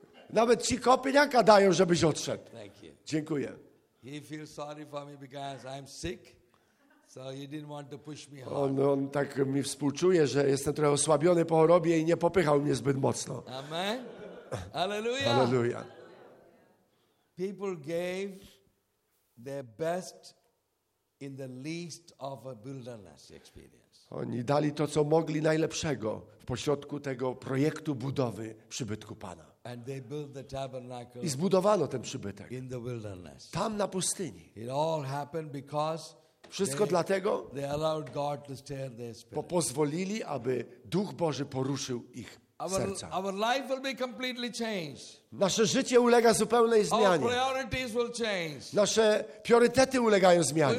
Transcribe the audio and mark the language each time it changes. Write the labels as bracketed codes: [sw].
[pl] Nawet ci kopieniaka dają, żebyś odszedł. [en] Thank you. [pl] Dziękuję. [en] He feels sorry for me because I'm sick. So he didn't want to push me hard. [pl] On tak mi współczuje, że jestem trochę osłabiony po chorobie i nie popychał mnie zbyt mocno. [en] Amen. Hallelujah. [pl] Hallelujah. [en] People gave their best in the least of a wilderness experience. [pl] Oni dali to, co mogli najlepszego w pośrodku tego projektu budowy przybytku Pana. [en] And they built the tabernacle. [pl] I zbudowano ten przybytek. [en] In the wilderness. [pl] Tam na pustyni. [en] It all happened because [pl] wszystko dlatego, [en] they allowed God to stir their spirit. [pl] Bo pozwolili, aby Duch Boży poruszył ich serca. [en] Our life will be completely changed. [pl] Nasze życie ulega zupełnej zmianie. [en] Our priorities will change. [pl] Nasze priorytety ulegają zmianie.